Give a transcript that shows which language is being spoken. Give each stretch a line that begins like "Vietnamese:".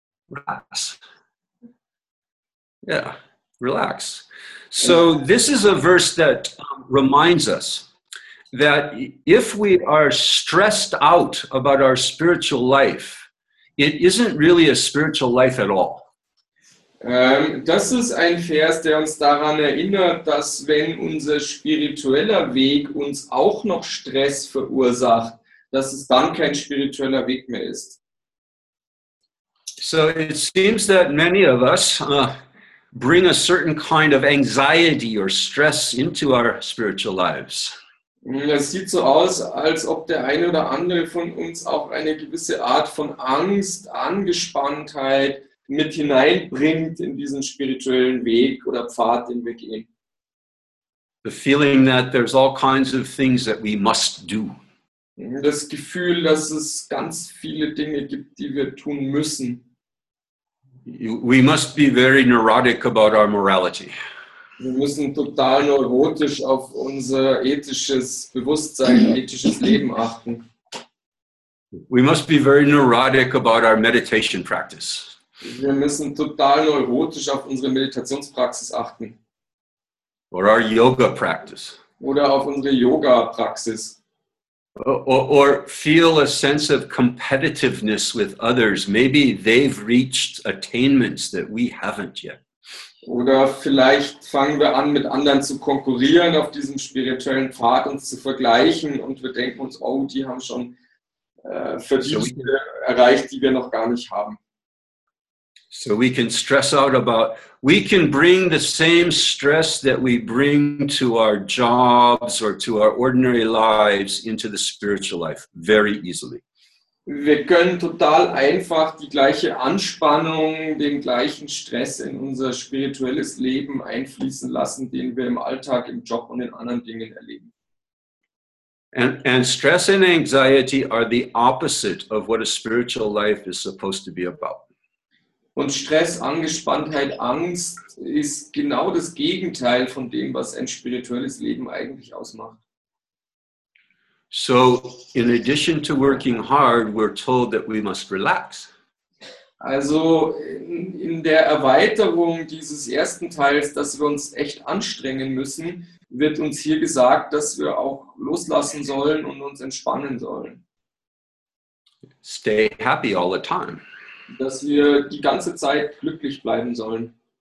English: Relax. Yeah, relax. So this is a verse that reminds us that if we are stressed out about our spiritual life, it isn't really a spiritual life at all.
German: Das ist ein Vers, der uns daran erinnert, dass wenn unser spiritueller Weg uns auch noch Stress verursacht, dass es dann kein spiritueller Weg mehr ist.
English: So it seems that many of us bring a certain kind of anxiety or stress into our spiritual lives.
German: Es sieht so aus, als ob der eine oder andere von uns auch eine gewisse Art von Angst, Angespanntheit mit hineinbringt in diesen spirituellen Weg oder Pfad, den wir gehen.
English: The feeling that there's all kinds of things that we must do.
German: Das Gefühl, dass es ganz viele Dinge gibt, die wir tun müssen.
English: We must be very neurotic about our morality.
German: Wir müssen total neurotisch auf unser ethisches Bewusstsein, ethisches Leben achten.
English: We must be very neurotic about our meditation practice.
German: Wir müssen total neurotisch auf unsere Meditationspraxis achten.
English: Or our yoga practice.
German: Oder auf unsere Yoga-Praxis.
English: Or feel a sense of competitiveness with others. Maybe they've reached attainments that we haven't yet.
German: Oder vielleicht fangen wir an, mit anderen zu konkurrieren auf diesem spirituellen Pfad, uns zu vergleichen und wir denken uns, oh, die haben schon Verdienste erreicht, die wir noch gar nicht haben.
English: So we can stress out about, we can bring the same stress that we bring to our jobs or to our ordinary lives into the spiritual life very easily.
German: Wir können total einfach die gleiche Anspannung, den gleichen Stress in unser spirituelles Leben einfließen lassen, den wir im Alltag, im Job und in anderen Dingen erleben.
English: And stress and anxiety are the opposite of what a spiritual life is supposed to be about.
German: Und Stress, Angespanntheit, Angst ist genau das Gegenteil von dem, was ein spirituelles Leben eigentlich ausmacht.
English: So, in addition to working hard, we're told that we must relax.
German: Also, in der Erweiterung dieses ersten Teils, dass wir uns echt anstrengen müssen, wird uns hier gesagt, dass wir auch loslassen sollen und uns entspannen sollen.
English: Stay happy all the time.
German: Dass wir die ganze Zeit glücklich bleiben sollen.